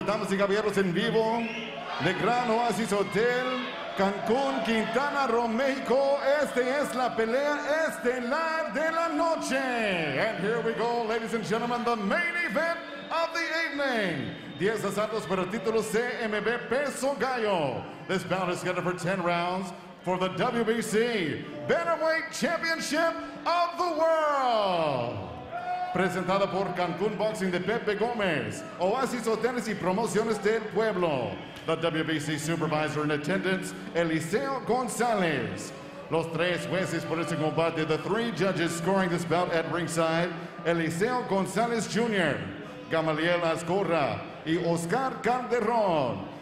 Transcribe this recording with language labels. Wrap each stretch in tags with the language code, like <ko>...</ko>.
<es>Damas y caballeros, en vivo de Gran Oasis Hotel Cancún, Quintana Roo, México. Esta es la pelea estelar de la noche.</es> <en>And here we go, ladies and gentlemen, the main event of the evening.</en> <es>10 asaltos por el título CMB Peso Gallo.</es> <en>This bout is scheduled for 10 rounds for the WBC Bantamweight Championship of the World.</en> <es>Presentada por Cancún Boxing de Pepe Gómez, Oasis Hoteles y Promociones del Pueblo.</es> <en>The WBC Supervisor in Attendance, Eliseo González.</en> <es>Los tres jueces por este combate,</es> <en>the three judges scoring this bout at ringside, Eliseo González Jr., Gamaliel Azcorra y Oscar Calderón.</en>